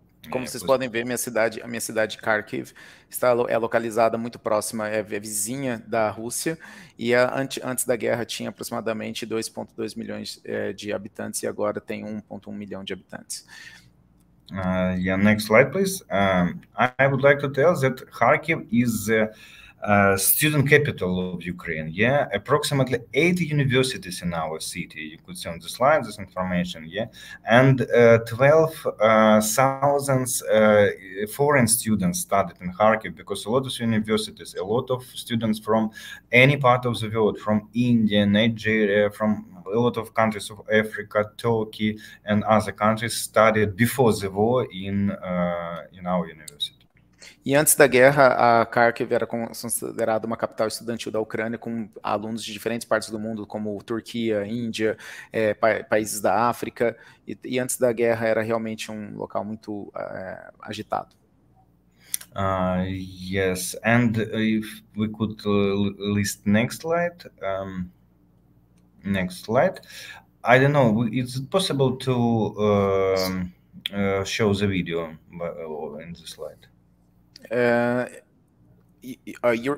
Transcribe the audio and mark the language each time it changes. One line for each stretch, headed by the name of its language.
Portuguese: Como vocês podem ver, a minha cidade Kharkiv é localizada muito próxima, é vizinha da Rússia, e antes da guerra tinha aproximadamente 2.2 milhões de habitantes e agora tem 1.1 milhão de habitantes.
English: Yeah, next slide, please. I would like to tell that Kharkiv is a student capital of Ukraine. Yeah, approximately 80 universities in our city. You could see on the slides this information. Yeah, and 12,000 foreign students studied in Kharkiv, because a lot of universities, a lot of students from any part of the world, from India, Nigeria, from a lot of countries of Africa, Turkey, and other countries studied before the war in our university.
Portuguese: E antes da guerra, a Kharkiv era considerada uma capital estudantil da Ucrânia, com alunos de diferentes partes do mundo, como Turquia, Índia, países da África. E antes da guerra, era realmente um local muito agitado.
English: Yes, and if we could list next slide. Next slide. I don't know, is it possible to show the video in the slide?